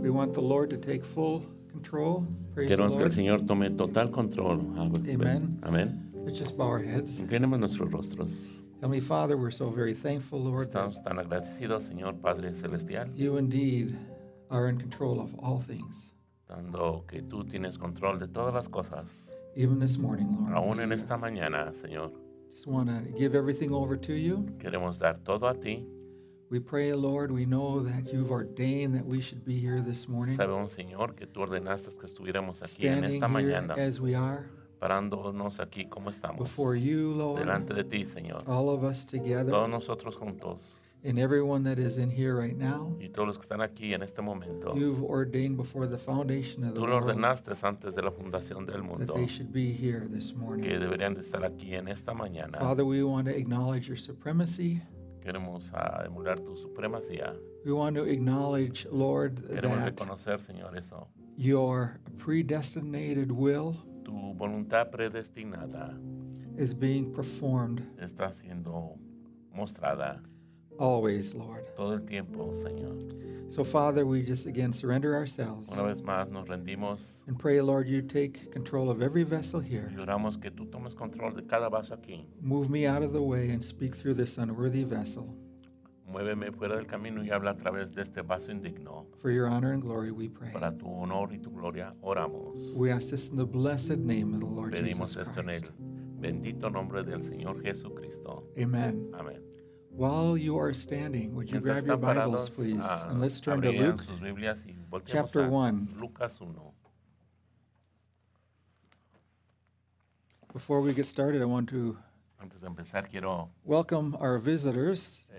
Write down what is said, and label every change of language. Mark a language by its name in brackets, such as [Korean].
[English] We want the Lord to take full control. Praise [Spanish] Queremos [English] the Lord. [Spanish] Que el Señor tome total control. Amen. Amen. [English] Let's just bow our heads. [Spanish] Inclinemos nuestros rostros. [English] Heavenly Father, we're so very thankful, Lord. [Spanish] Estamos tan agradecidos, Señor Padre Celestial. [English] You indeed are in control of all things. [Spanish] Dando que tú tienes control de todas las cosas. [English] Even this morning, Lord. [Spanish] Aún en esta mañana, Señor. [English] Just want to give everything over to you. [Spanish] Queremos dar todo a ti. [English] We pray, Lord, we know that you've ordained that we should be here this morning. [Spanish] Sabemos, Señor, que tú ordenaste que estuviéramos aquí [English] Standing [Spanish] en esta mañana. [English] As we are. [Spanish] Parándonos aquí como estamos. [English] Before you, Lord. [Spanish] Delante de ti, Señor. [English] All of us together. [Spanish] Todos nosotros juntos. [English] And everyone that is in here right now. [Spanish] Y todos los que están aquí en este momento. [English] You've ordained before the foundation of the world. [Spanish] Tú lo ordenaste antes de la fundación del mundo. [English] That they should be here this morning. [Spanish] Que deberían de estar aquí en esta mañana. [English] Father, we want to acknowledge your supremacy. [Spanish] Queremos emular tu supremacía. [English] We want to acknowledge, Lord, [Spanish] Queremos [English] that [Spanish] reconocer, Señor, eso. [English] Your predestinated will. [Spanish] Tu voluntad predestinada. [English] Is being performed. [Spanish] Está siendo mostrada. [English] Always, Lord. [Spanish] Todo el tiempo, Señor. [English] So, Father, we just again surrender ourselves. [Spanish] Una vez más, nos rendimos. [English] And pray, Lord, you take control of every vessel here. [Spanish] Y oramos que tú tomes control de cada vaso aquí. [English] Move me out of the way and speak through this unworthy vessel. [Spanish] Muéveme fuera del camino y habla a través de este vaso indigno. [English] For your honor and glory, we pray. [Spanish] Para tu honor y tu gloria, oramos. [English] We ask this in the blessed name of the Lord [Spanish] Pedimos [English] Jesus Christ. [Spanish] Pedimos esto en el bendito nombre del Señor Jesucristo. Amen. Amen. [English] While you are standing, would you grab your Bibles, please? And let's turn to Luke, chapter 1. [Spanish] Lucas 1. [English] Before we get started, I want to [Spanish] Antes de empezar, quiero [English] welcome our visitors.